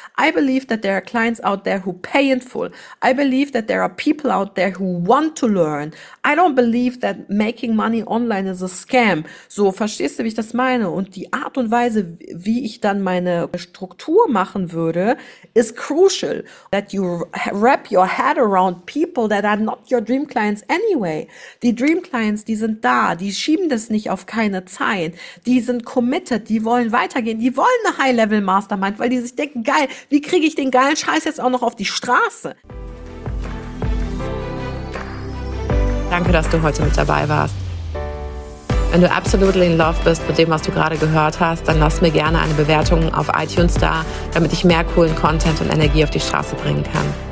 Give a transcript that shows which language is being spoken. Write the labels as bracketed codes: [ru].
[en] I believe that there are clients out there who pay in full. I believe that there are people out there who want to learn. I don't believe that making money online is a scam. [de] So, verstehst du, wie ich das meine? Und die Art und Weise, wie ich dann meine Struktur machen würde, ist crucial. [en] That you wrap your head around people that are not your dream clients anyway. [de] Die Dream Clients, die sind da, die schieben das nicht auf keine Zeit. Die sind committed, die wollen weitergehen, die wollen eine High-Level-Mastermind, weil die sich denken, geil, wie kriege ich den geilen Scheiß jetzt auch noch auf die Straße? Danke, dass du heute mit dabei warst. Wenn du absolut in love bist mit dem, was du gerade gehört hast, dann lass mir gerne eine Bewertung auf iTunes da, damit ich mehr coolen Content und Energie auf die Straße bringen kann.